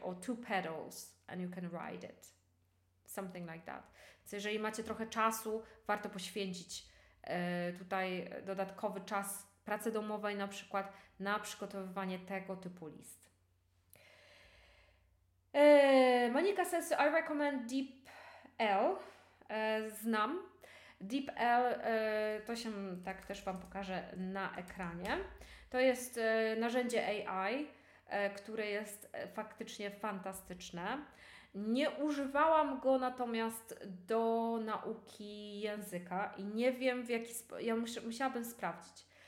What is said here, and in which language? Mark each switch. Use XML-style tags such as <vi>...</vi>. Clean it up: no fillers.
<en>Or two pedals and you can ride it. Something like that.</en> <pl>Więc jeżeli macie trochę czasu, warto poświęcić tutaj dodatkowy czas pracy domowej na przykład na przygotowywanie tego typu list.</pl> <en>Monika says, I recommend DeepL.</en> <pl>Znam. DeepL, to się tak też Wam pokażę na ekranie. To jest narzędzie AI, które jest faktycznie fantastyczne. Nie używałam go natomiast do nauki języka i nie wiem w jaki sposób, ja musiałabym sprawdzić.</pl>